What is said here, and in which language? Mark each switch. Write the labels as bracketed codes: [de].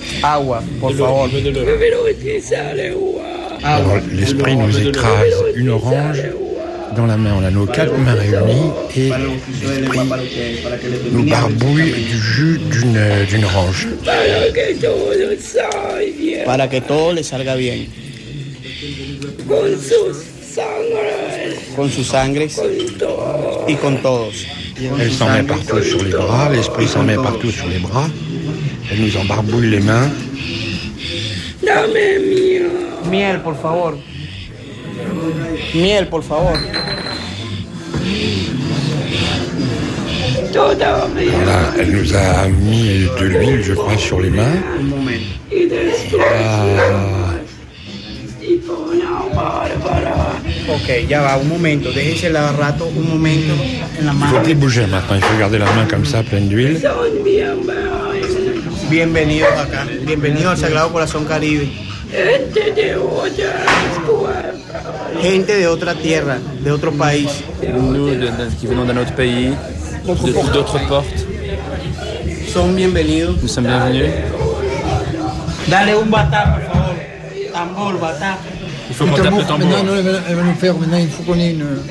[es] Agua, por favor. [fr] Alors, l'esprit nous écrase une orange dans la main. On a nos quatre mains réunies et l'esprit nous barbouille du jus d'une orange. [es] Para que todo le salga bien. Con sus sangres. Con sus sangres. Y con todos. [fr] Elle s'en met partout sur les bras. L'esprit s'en met partout sur les bras. Elle nous en barbouille les mains. [es] Dame miel. Miel, por favor. Miel, por favor. [fr] Voilà, elle nous a mis de l'huile, je crois, sur les mains. [es] Ok, ya va, un momento. Déjense la rato, un momento. [fr] Il faut plus bouger maintenant, il faut garder la main comme ça, pleine d'huile. [es] Bienvenido acá. Bienvenido al Sagrado Corazón Caribe. Gente de otra tierra, de otro país. [fr] Nous, qui venons d'un autre pays. D'autres portes. [es] Son bienvenidos. [fr] Nous sommes bienvenus. [es] Dale un batá, por favor. Tambor, batá. [fr] Il faut qu'on tape le tambour. Maintenant, elle va nous faire. Maintenant, il faut qu'on ait une.